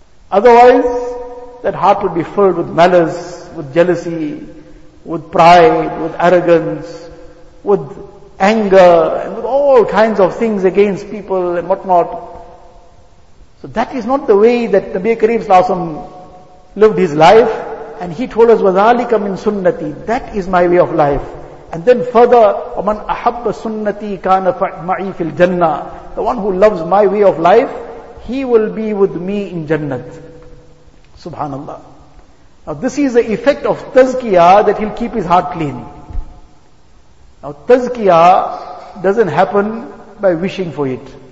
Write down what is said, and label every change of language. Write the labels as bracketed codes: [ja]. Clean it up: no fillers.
[en] Otherwise, that heart will be filled with malice, with jealousy, with pride, with arrogance, with anger, and with all kinds of things against people and whatnot. So that is not the way that Nabi Kareem sallallahu alaihi wasallam lived his life. And he told us, [ar] وَذَٰلِكَ مِن سُنَّتِي. [en] That is my way of life. And then further, [ar] وَمَنْ أَحَبَّ سُنَّتِي كَانَ مَعِي فِي الْجَنَّةِ. [en] The one who loves my way of life, he will be with me in Jannat. Subhanallah. Now this is the effect of tazkiyah, that he'll keep his heart clean. Now tazkiyah doesn't happen by wishing for it.